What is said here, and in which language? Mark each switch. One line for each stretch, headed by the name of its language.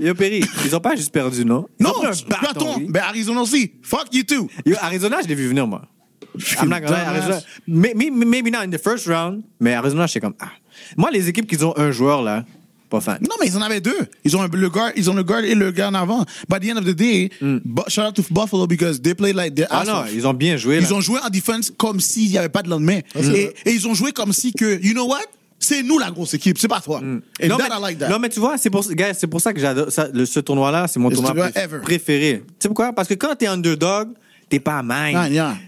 French: Yo, Perry, ils ont pas juste perdu, non? Non, bâton. Mais Arizona aussi. Fuck you too. Yo, Arizona, je l'ai vu venir, moi.
English: I'm not gonna lie, Arizona. Maybe not in the first round,
French: mais Arizona, je suis comme... Ah. Moi, les équipes qui ont un joueur, là... Pas fan. Non, mais ils en avaient deux. Ils ont le guard, et le gars en avant.
English: By the end of the day, shout out to Buffalo because they played like their ass.
French: Ah non, ils ont bien joué. Ils ont joué en defense comme s'il n'y avait pas de lendemain. Et ils ont joué comme si que,
English: you know what?
French: C'est nous la grosse équipe, c'est pas toi.
English: And non, that,
French: mais,
English: I like that.
French: Non, mais tu vois, c'est pour ça que j'adore ça, ce tournoi-là, c'est mon tournoi préféré. Tu sais pourquoi? Parce que quand t'es underdog, t'es pas à main.
English: Ah, yeah.